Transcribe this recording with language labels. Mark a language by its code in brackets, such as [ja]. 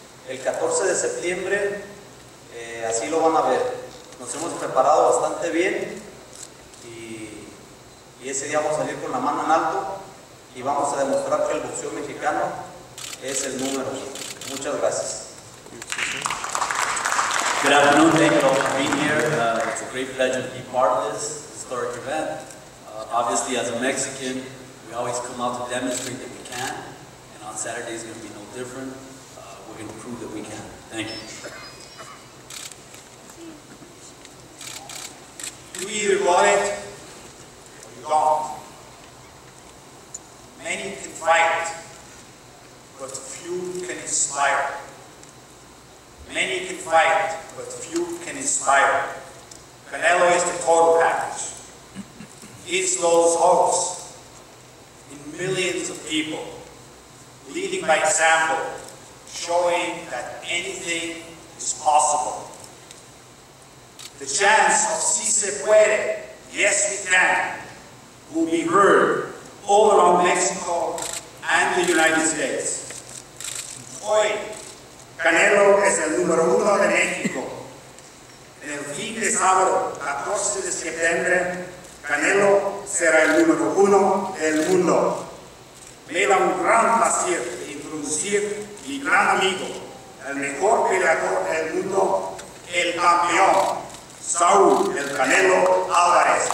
[es] El 14 de septiembre, así lo van a ver. Nos hemos preparado bastante bien y ese día vamos a salir con la mano en alto y vamos a demostrar que el boxeo mexicano es el número uno. Muchas gracias. [en] Good afternoon, thank you all for being here. It's a great pleasure to be part of this historic event. Obviously, as a Mexican, we always come out to demonstrate that we can, and on Saturday is going to be no different. We're going to prove that we can. Thank you. You either want it or you don't. Many can fight, but few can inspire. Many can fight, but few can inspire. Canelo is the total package. He's those hopes in millions of people, leading by example, showing that anything is possible. The chance of [es] si se puede, [en] yes we can, will be heard all around Mexico and the United States. [es] Hoy, Canelo es el número uno de México. En el fin de sábado, 14 de septiembre, Canelo será el número uno del mundo. Me da un gran placer introducir mi gran amigo, el mejor peleador del mundo, el campeón, Saul el Canelo Alvarez.